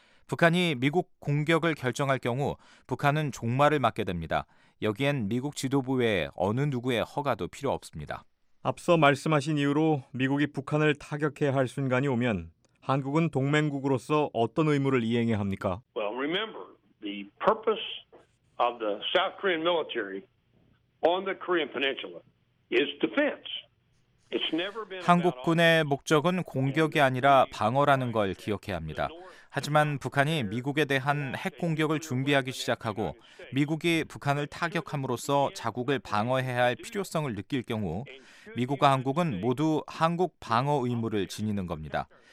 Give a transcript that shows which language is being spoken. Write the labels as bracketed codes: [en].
[ko] 북한이 미국 공격을 결정할 경우 북한은 종말을 맞게 됩니다. 여기엔 미국 지도부 외에 어느 누구의 허가도 필요 없습니다. 앞서 말씀하신 이유로 미국이 북한을 타격해야 할 순간이 오면 한국은 동맹국으로서 어떤 의무를 이행해야 합니까? [en] Well, remember the purpose of the South Korean military on the Korean Peninsula is defense. [ko] 한국군의 목적은 공격이 아니라 방어라는 걸 기억해야 합니다. 하지만 북한이 미국에 대한 핵 공격을 준비하기 시작하고 미국이 북한을 타격함으로써 자국을 방어해야 할 필요성을 느낄 경우 미국과 한국은 모두 한국 방어 의무를 지니는 겁니다.